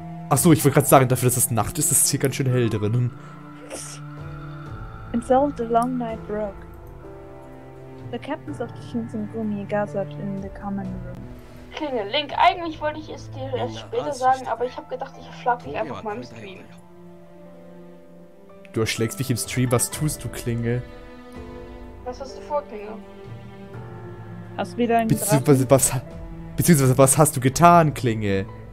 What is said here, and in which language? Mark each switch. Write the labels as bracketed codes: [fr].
[de] Achso, ich wollte gerade sagen, dafür, dass es Nacht ist, ist es hier ganz schön hell drinnen. [en] And so the long night broke. The captains of the Shinsengumi gathered in the common room. [de] Link, eigentlich wollte ich es dir erst später sagen, aber ich habe gedacht, ich schlag dich einfach mal im Stream. Du erschlägst mich im Stream, was tust du, Klinge? Was hast du vor, Klinge? Hast du wieder einen Beziehungsweise, was hast du getan, Klinge?